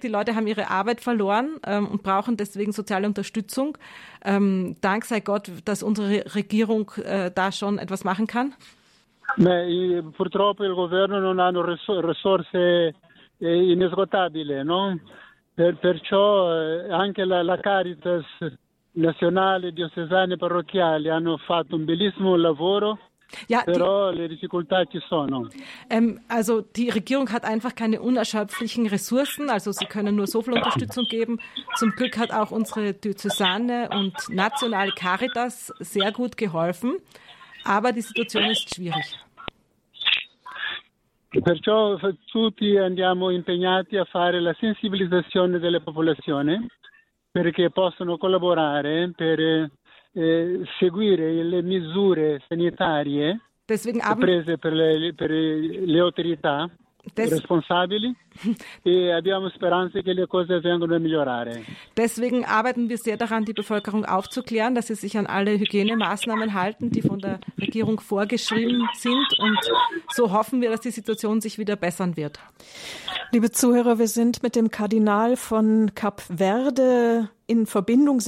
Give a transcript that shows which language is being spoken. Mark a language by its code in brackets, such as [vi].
[de] Die Leute haben ihre Arbeit verloren und brauchen deswegen soziale Unterstützung. Dank sei Gott, dass unsere Regierung da schon etwas machen kann. [it] Purtroppo il governo non ha risorse inesgotabili, no? Perciò anche la Caritas nazionale diocesane parrocchiale hanno fatto un bellissimo lavoro. [de] Ja, [it] però le difficoltà ci sono. [de] Also die Regierung hat einfach keine unerschöpflichen Ressourcen, also sie können nur so viel Unterstützung geben. Zum Glück hat auch unsere Diözesane und nationale Caritas sehr gut geholfen, aber die Situation ist schwierig. [it] Perciò tutti andiamo impegnati a fare la sensibilizzazione della popolazione, perché possono collaborare per seguire le misure sanitarie prese per le autorità responsabili e abbiamo speranze che le cose vengano a migliorare. [de] Deswegen arbeiten wir sehr daran, die Bevölkerung aufzuklären, dass sie sich an alle Hygienemaßnahmen halten, die von der Regierung vorgeschrieben sind, und so hoffen wir, dass die Situation sich wieder bessern wird. Liebe Zuhörer, wir sind mit dem Kardinal von Kap Verde in Verbindung.